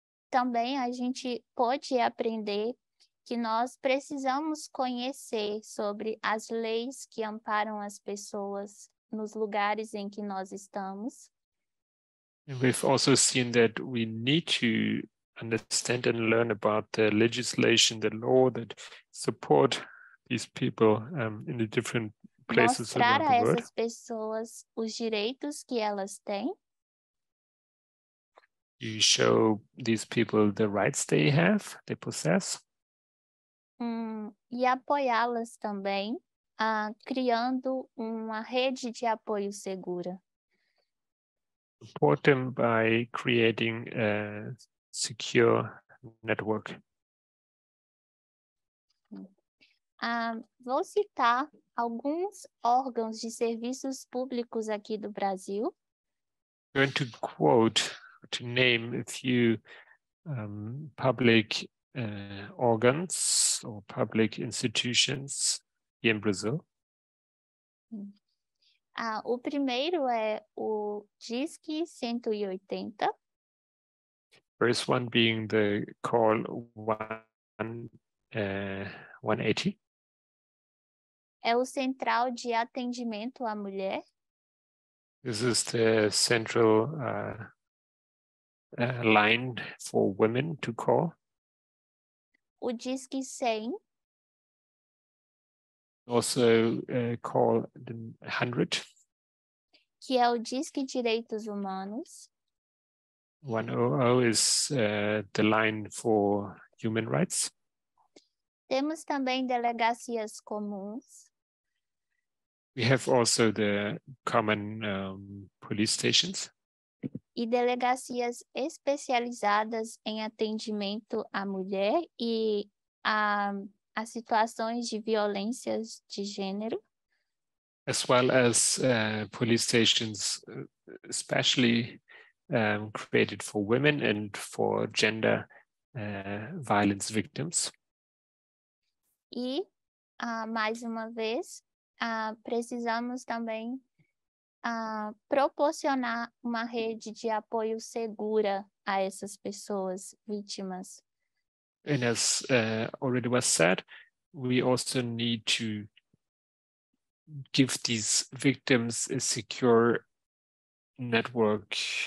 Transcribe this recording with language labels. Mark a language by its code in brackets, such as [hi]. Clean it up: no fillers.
[pt] Também a gente pode aprender que nós precisamos conhecer sobre as leis que amparam as pessoas nos lugares em que nós estamos. [en] And we've also seen that we need to understand and learn about the legislation, the law that support these people in the different places around the world. [pt] Mostrar a essas pessoas os direitos que elas têm. [en] You show these people the rights they have, they possess. [pt] E apoiá-las também, criando uma rede de apoio segura. [en] Support them by creating a secure network. [pt] Vou citar alguns órgãos de serviços públicos aqui do Brasil. [en] I'm going to quote, to name a few public organs or public institutions in Brazil. [pt] O primeiro é o Disque 180. [en] First one being the call 180. [pt] É o Central de Atendimento à Mulher. [en] This is the central line for women to call. [pt] O Disque 100. [en] Also call the 100. [pt] Que é o Disque Direitos Humanos. [en] 100 is the line for human rights. [pt] Temos também delegacias comuns. [en] We have also the common police stations. [pt] E delegacias especializadas em atendimento à mulher e a situações de violências de gênero. [en] As well as police stations especially created for women and for gender violence victims. [pt] E mais uma vez, precisamos também proporcionar uma rede de apoio segura a essas pessoas vítimas. [en] And as already was said, we also need to give these victims a secure network.